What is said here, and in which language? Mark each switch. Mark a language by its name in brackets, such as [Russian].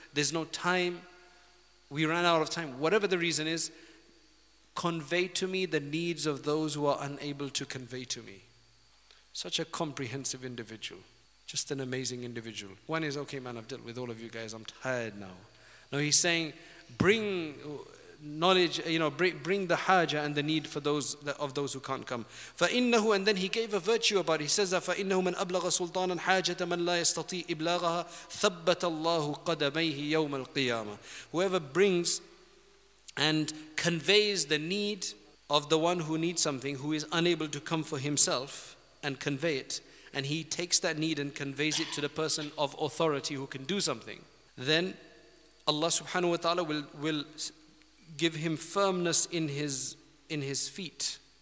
[English] there's no time, we ran out of time, whatever the reason is, convey to me the needs of those who are unable to convey to me. Such a comprehensive individual. Just an amazing individual. One is, okay man, I've dealt with all of you guys, I'm tired now. No, he's saying, bring knowledge, you know, bring the haja and the need for those of those who can't come. [Arabic] فَإِنَّهُ, [English] and then he gave a virtue about it. He says that, [Arabic] فَإِنَّهُ مَنْ أَبْلَغَ سُلْطَانًا حَاجَةَ مَنْ لَا يَسْتَطِي إِبْلَاغَهَا ثَبَّتَ اللَّهُ قَدَمَيْهِ يَوْمَ الْقِيَامَةِ. [English] Whoever brings and conveys the need of the one who needs something, who is unable to come for himself and convey it, and he takes that need and conveys it to the person of authority who can do something, then Allah subhanahu wa ta'ala will give him firmness in his feet.